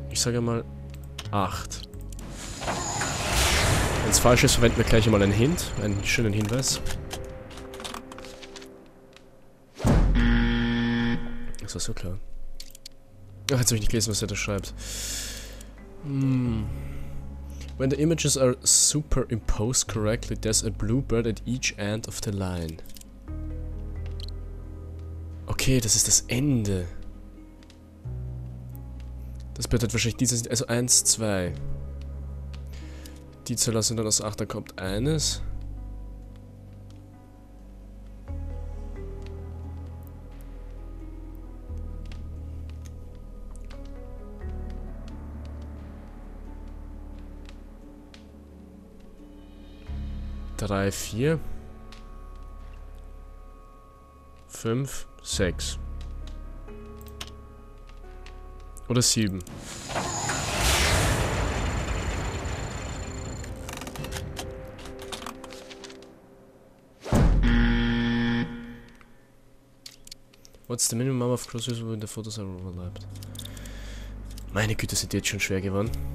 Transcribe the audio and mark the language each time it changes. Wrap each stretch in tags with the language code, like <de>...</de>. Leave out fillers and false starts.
<de>Ich sage mal 8. Wenn es falsch ist, verwenden wir gleich einmal einen Hint, einen schönen Hinweis. Das war so klar. Ach, jetzt habe ich nicht gelesen, was er da schreibt.</de> <en>When the images are superimposed correctly, there's a bluebird at each end of the line.</en> <de>Okay, das ist das Ende. Das bedeutet wahrscheinlich diese sind, also 1, 2. Die Zahl sind dann aus 8, da kommt eines. Drei, vier. Fünf, sechs. Oder sieben.</de> <en>What's the minimum number of crosses when the photos are overlapped?</en> <de>Meine Güte, sind die jetzt schon schwer geworden.</de>